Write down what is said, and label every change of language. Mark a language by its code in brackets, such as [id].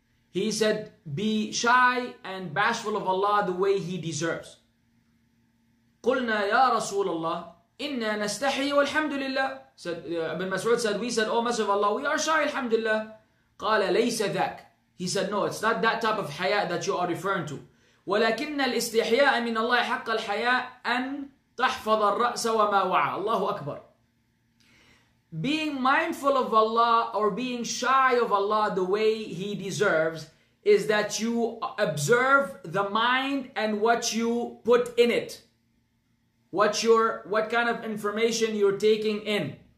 [en] He said, "Be shy and bashful of Allah the way He deserves." [ar] قلنا يا رسول الله إنا نستحي والحمد لله. [en] Ibn Mas'ud said, we said, oh Messenger of Allah, we are shy, alhamdulillah. [ar] قال ليس ذاك. [en] He said, no, it's not that type of حياء that you are referring to. [ar] ولكن الاستحياء من الله حق الحياء أن تحفظ الرأس وما وعى. الله أكبر. [en] Being mindful of Allah, or being shy of Allah the way He deserves, is that you observe the mind and what you put in it. What kind of information you're taking in.